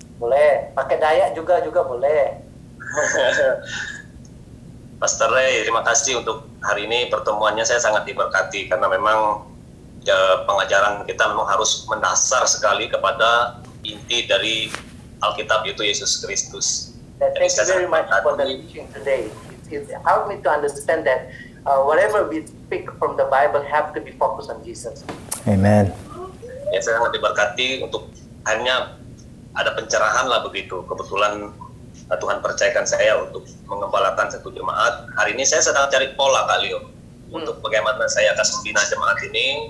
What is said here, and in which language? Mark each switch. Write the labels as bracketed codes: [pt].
[id] Boleh, pakai Dayak juga boleh. Pastor Ray, terima kasih untuk hari ini. Pertemuannya saya sangat diberkati karena memang pengajaran kita memang harus mendasar sekali kepada inti dari Alkitab yaitu Yesus Kristus. [en] Thank you very much for the teaching today. It helped me to understand that whatever we speak from the Bible have to be focused on Jesus. [id] Amen. Ya, saya sangat diberkati untuk akhirnya ada pencerahan lah begitu. Kebetulan Tuhan percayakan saya untuk mengembalakan satu jemaat. Hari ini saya sedang cari pola, Kak Leo, untuk bagaimana saya akan membina jemaat ini.